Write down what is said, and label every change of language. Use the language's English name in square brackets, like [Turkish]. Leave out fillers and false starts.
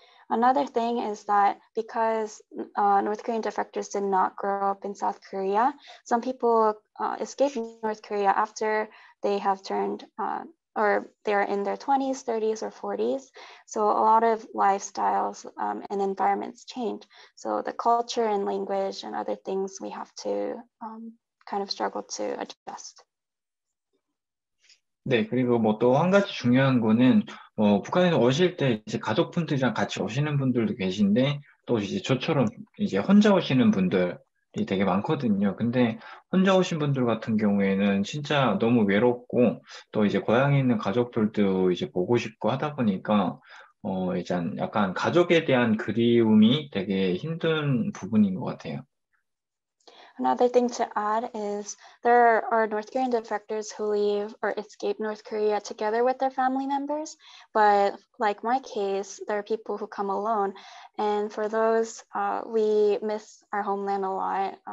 [English] Another thing is that because North Korean defectors did not grow up in South Korea, some people escape North Korea after they have turned or they are in their 20s, 30s, or 40s. So a lot of lifestyles and environments change. So the culture and language and other things we have to kind of struggle to adjust. [Korean] 네, 그리고 뭐 또 한 가지 중요한 거는 뭐 북한에서 오실 때 이제 가족분들이랑 같이 오시는 분들도 계신데 또 이제 저처럼 이제 혼자 오시는 분들이 되게 많거든요. 근데 혼자 오신 분들 같은 경우에는 진짜 너무 외롭고 또 이제 고향에 있는 가족들도 이제 보고 싶고 하다 보니까 이제 약간 가족에 대한 그리움이 되게 힘든 부분인 것 같아요. [English] Another thing to add is there are North Korean defectors who leave or escape North Korea together with their family members. But like my case, there are people who come alone. And for those, we miss our homeland a lot.